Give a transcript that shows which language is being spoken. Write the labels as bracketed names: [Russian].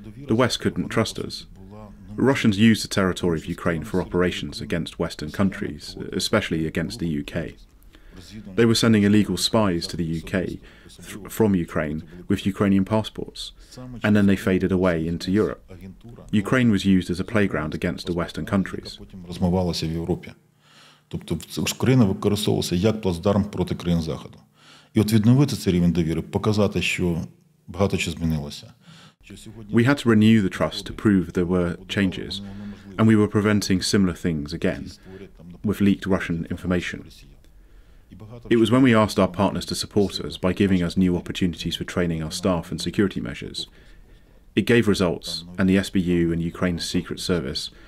[English] The West couldn't trust us. Russians used the territory of Ukraine for operations against Western countries, especially against the UK. They were sending illegal spies to the UK from Ukraine with Ukrainian passports, and then they faded away into Europe. Ukraine was used as a playground against the Western countries. [Ukrainian] Розмивалася в Європі. Тобто Україна використовувалася як плацдарм проти країн Заходу. І от відновити цей рівень довіри, показати, що багато чого змінилося. [English] We had to renew the trust to prove there were changes, and we were preventing similar things again with leaked Russian information. It was when we asked our partners to support us by giving us new opportunities for training our staff and security measures. It gave results, and the SBU and Ukraine's Secret Service